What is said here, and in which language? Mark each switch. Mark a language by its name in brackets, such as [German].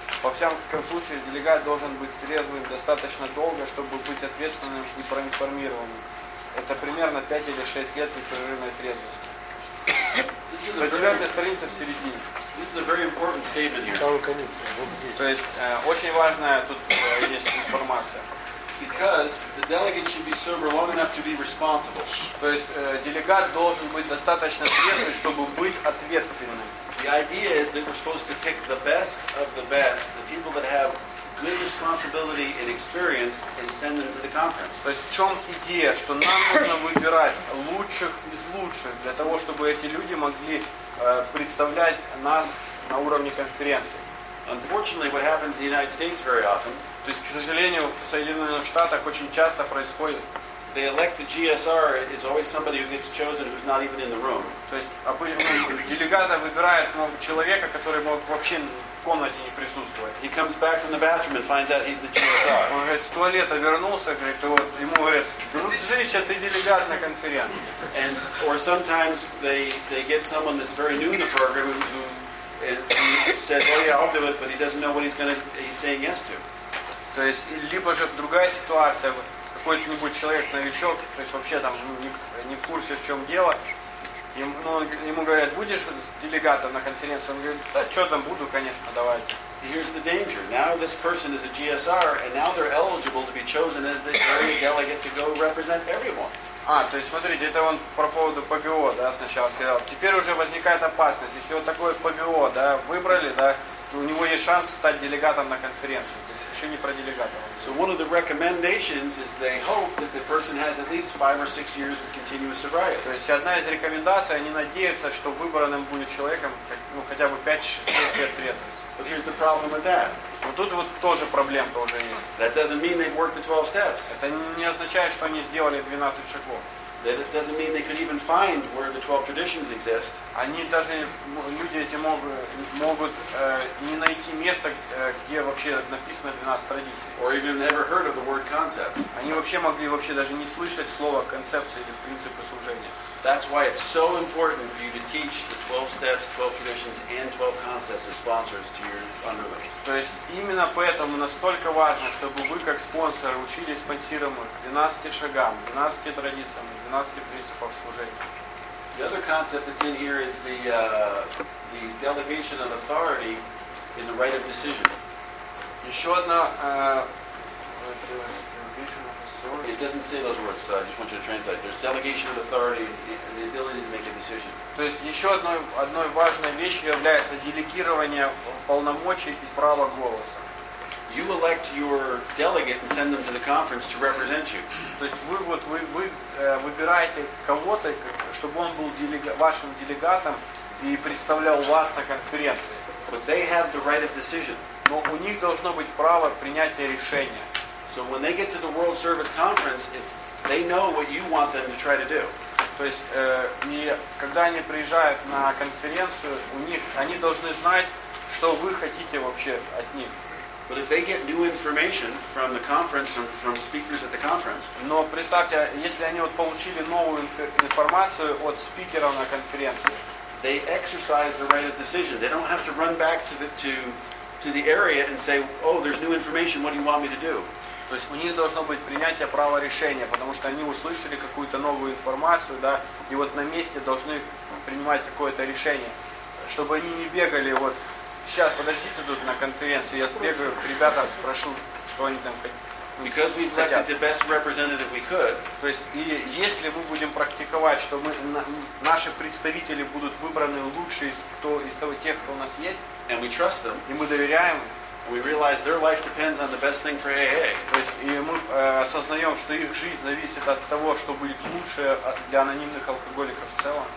[Russian] Во всяком случае, делегат должен быть трезвым достаточно долго, чтобы быть ответственным и проинформированным. Это примерно 5 или 6 лет непрерывной трезвости. На 9-й странице в середине. [English] This is a very important statement here. [Russian] Самый конец, вот здесь. То есть очень важная тут есть информация. [English] Because the delegate should be sober long enough to be responsible. [Russian] То есть делегат должен быть достаточно трезвый, чтобы быть ответственным. [English] The idea is that we're supposed to pick the best of the best, the people that have good responsibility and experience, and send them to the conference. [Russian] То есть в чем идея, что нам нужно выбирать лучших из лучших для того, чтобы эти люди могли представлять нас на уровне конференции. [English] Unfortunately, what happens in the United States very often. [Russian] То есть, к сожалению, в Соединенных Штатах очень часто происходит. [English] They elect the GSR is always somebody who gets chosen who's not even in the room. [Russian] То есть обычно делегата выбирает человека, который мог вообще в комнате не присутствовать. [English] He comes back from the bathroom and finds out he's the GSR. [Russian] Он говорит, с туалета вернулся, говорит, и вот ему говорят, дружище, ты делегат на конференции. [English] And or sometimes they get someone that's very new in the program who says, oh yeah, I'll do it, but he doesn't know what he's saying yes to. [Russian] То есть, либо же другая ситуация, какой-нибудь человек, новичок, то есть вообще там не в курсе, в чем дело, ему говорят, будешь делегатом на конференции? Он говорит, да что там, буду, конечно, давай. [English] Here's the danger. Now this person is a GSR, and now they're eligible to be chosen as the very delegate to go represent everyone. [Russian] А, то есть смотрите, это он про поводу ПБО, да, сначала сказал. Теперь уже возникает опасность. Если вот такое ПБО, да, выбрали, да, у него есть шанс стать делегатом на конференцию. Еще не про делегатов. [English] So one of the recommendations is they hope that the person has at least 5 or 6 years of continuous sobriety. [Russian] То есть одна из рекомендаций, они надеются, что выбранным будет человеком, ну, хотя бы 5-6 лет трезвости. [English] But here's the problem with that. [Russian] Но тут вот тоже проблем тоже есть. [English] That doesn't mean they've worked the 12 steps. [Russian] Это не означает, что они сделали 12 шагов. [English] That it doesn't mean they could even find where the 12 traditions exist. [Russian] Они даже люди эти могут не найти место, где вообще написано 12 традиций. [English] Or even never heard of the word concept. [Russian] Они вообще могли вообще даже не слышать слово концепция или принципы служения. [English] That's why it's so important for you to teach the 12 steps, 12 traditions, and 12 concepts as sponsors to your underlings. [Russian] То есть именно поэтому настолько важно, чтобы вы как спонсор учили спонсируемых 12 шагам, 12 традициям, 12 принципам служения. [English] The other concept that's in here is the delegation of authority in the right of decision. [Russian] Еще одна [English] It doesn't say those words, so I just want you to translate. There's delegation of authority and the ability to make a decision. [Russian] То есть еще одной важной вещью является делегирование полномочий и права голоса. [English] You elect your delegate and send them to the conference to represent you. [Russian] То есть вы выбираете кого-то, чтобы он был вашим делегатом и представлял вас на конференции. [English] But they have the right of decision. [Russian] Но у них должно быть право принятия решения. [English] So when they get to the World Service Conference, if they know what you want them to try to do. [Russian] То есть, когда они приезжают на конференцию, они должны знать, что вы хотите вообще от них. [English] But if they get new information from the conference, from speakers at the conference. [Russian] Но представьте, если они вот получили новую информацию от спикеров на конференции. [English] They exercise the right of decision. They don't have to run back to the area and say, oh, there's new information, what do you want me to do? [Russian] То есть у них должно быть принятие права решения, потому что они услышали какую-то новую информацию, да, и вот на месте должны принимать какое-то решение, чтобы они не бегали, вот, сейчас, подождите тут на конференции, я сбегаю к ребятам, спрошу, что они там хотят. [English] Because we elected the best representative we could. [Russian] То есть, и если мы будем практиковать, что наши представители будут выбраны лучшие из тех, кто у нас есть, [English] and we trust them. [Russian] И мы доверяем им. [English] We realize their life depends on the best thing for AA. [Russian] То есть, и мы осознаем, что их жизнь зависит от того, что будет лучше для анонимных алкоголиков в целом.